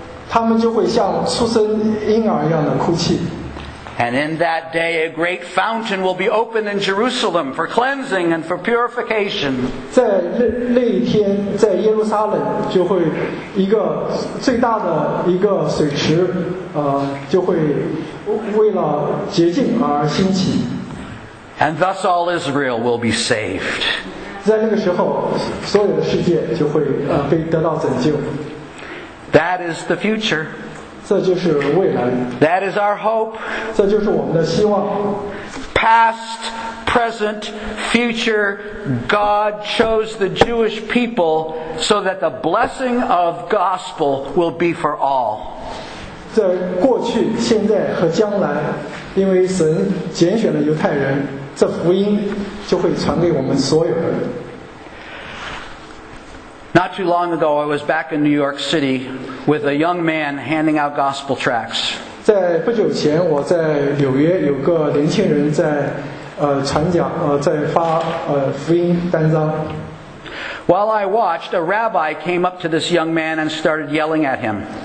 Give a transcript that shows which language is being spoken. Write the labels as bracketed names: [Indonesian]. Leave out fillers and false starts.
[Chinese] 他们就会像出生婴儿一样的哭泣。 [English] And in that day, a great fountain will be opened in Jerusalem for cleansing and for purification. [Chinese] 在那一天，在耶路撒冷就会一个最大的一个水池，就会为了洁净而兴起。 [English] And thus all Israel will be saved. [Chinese] 在那个时候，所有的世界就会被得到拯救。 [English] That is the future. [Chinese] 这就是未来。 [English] That is our hope. [Chinese] 这就是我们的希望。 [English] Past, present, future, God chose the Jewish people so that the blessing of gospel will be for all. [Chinese] 在过去、现在和将来，因为神拣选了犹太人，这福音就会传给我们所有人。 [English] Not too long ago, I was back in New York City with a young man handing out gospel tracts. [Chinese] 在不久前，我在纽约有个年轻人在传讲在发福音单张。 [English] While I watched, a rabbi came up to this young man and started yelling at him.